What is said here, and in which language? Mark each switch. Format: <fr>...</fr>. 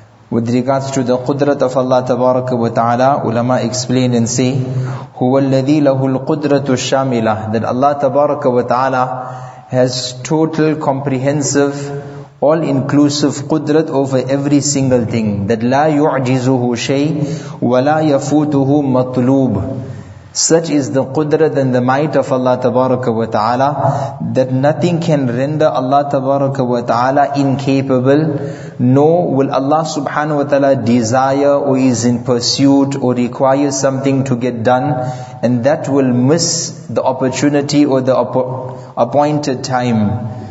<en>With regards to the Qudrat of Allah Tabaraka wa Ta'ala, ulama explain and say,</en> <ar>هُوَ الَّذِي لَهُ الْقُدْرَةُ الشَّامِلَةُ,</ar> <en>that Allah Tabaraka wa Ta'ala has total, comprehensive, all-inclusive Qudrat over every single thing.</en> <ar>That لَا يُعْجِزُهُ شَيْءٍ وَلَا يَفُوتُهُ مَطْلُوبٌ.</ar> <en>Such is the Qudrat and the might of Allah Tabaraka wa Ta'ala that nothing can render Allah Tabaraka wa Ta'ala incapable, nor will Allah Subhanahu wa Ta'ala desire or is in pursuit or require something to get done and that will miss the opportunity or the appointed time.</en>